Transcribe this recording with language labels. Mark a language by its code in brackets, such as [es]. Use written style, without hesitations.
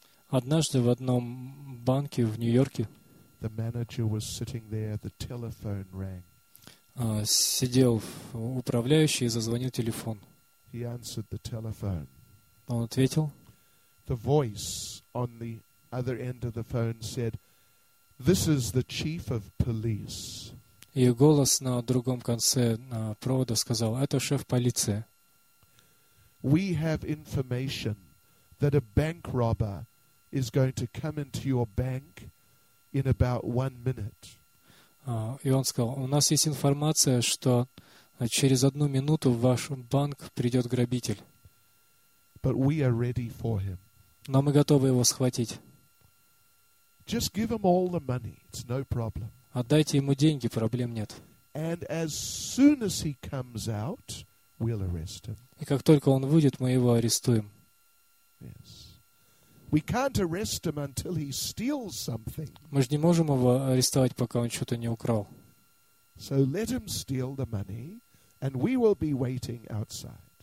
[ru] Однажды в одном банке в Нью-Йорке. [en] The manager was sitting there. The telephone rang. [ru] Сидел управляющий и зазвонил телефон. [en] He answered the telephone. [ru] Он ответил. [en] The voice on the other end of the phone said, "This is the chief of police." [ru] И голос на другом конце провода сказал: "Это шеф полиции." [en] We have information that a bank robber is going to come into your bank in about 1 minute. [ru] И он сказал: "У нас есть информация, что через одну минуту в ваш банк придет грабитель." [en] But we are ready for him. [ru] Но мы готовы его схватить. [en] Just give him all the money. It's no problem. [ru] Отдайте ему деньги, проблем нет. [en] And as soon as he comes out, we'll arrest him. [ru] И как только он выйдет, мы его арестуем. [en] Yes. We can't arrest him until he steals something. [ru] Мы же не можем его арестовать, пока он что-то не украл. [en] So let him steal the money, and we will be waiting outside.